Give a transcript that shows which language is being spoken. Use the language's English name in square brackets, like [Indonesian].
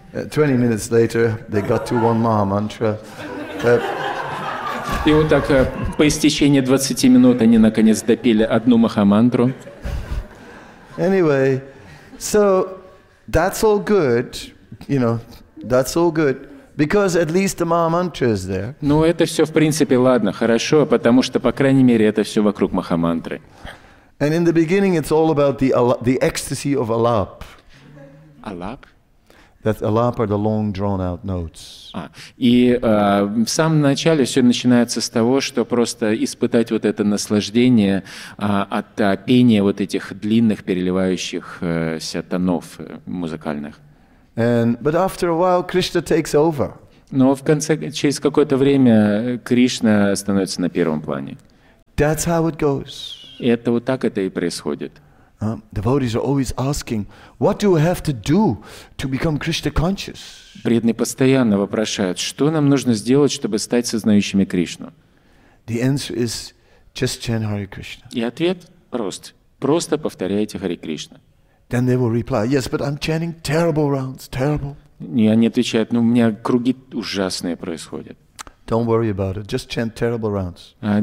[English] Twenty minutes later, they got to one Maha Mantra. [Russian] И вот так по истечении 20 минут они наконец допели одну Махамантру. [English] Anyway, so that's all good, you know, that's all good, because at least the Maha Mantra is there. [Russian] Ну это все в принципе ладно, хорошо, потому что по крайней мере это все вокруг Махамантры. [English] And in the beginning, it's all about the ecstasy of Alap. Alap. That alap are the long drawn out notes. [Russian] И в самом начале все начинается с того, что просто испытать вот это наслаждение от пения вот этих длинных переливающихся тонов музыкальных. [English] And but after a while, Krishna takes over. [Russian] Но в конце через какое-то время Кришна становится на первом плане. [English] That's how it goes. [Russian] И это вот так это и происходит. [English] Devotees are always asking, what do we have to do to become Krishna conscious? [Russian] Преданные постоянно вопрошают, что нам нужно сделать, чтобы стать сознающими Кришну? [English] The answer is just chant Hare Krishna. [Russian] И ответ прост. Просто повторяйте Hare Krishna. [English] Then they will reply, yes, but I'm chanting terrible rounds, terrible. [Russian] И они отвечают, ну у меня круги ужасные происходят. [English] Don't worry about it, just chant terrible rounds.